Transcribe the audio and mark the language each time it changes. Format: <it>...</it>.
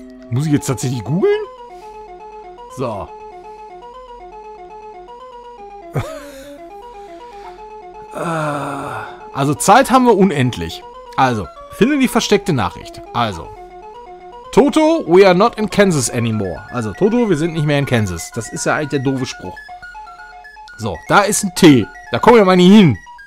<de>Muss ich jetzt tatsächlich googeln? So. Also Zeit haben wir unendlich. Also, finde die versteckte Nachricht. Also,</de> <en>Toto, we are not in Kansas anymore.</en> <de>Also, Toto, wir sind nicht mehr in Kansas. Das ist ja eigentlich der doofe Spruch. So, da ist ein T. Da kommen wir mal nie hin.</de>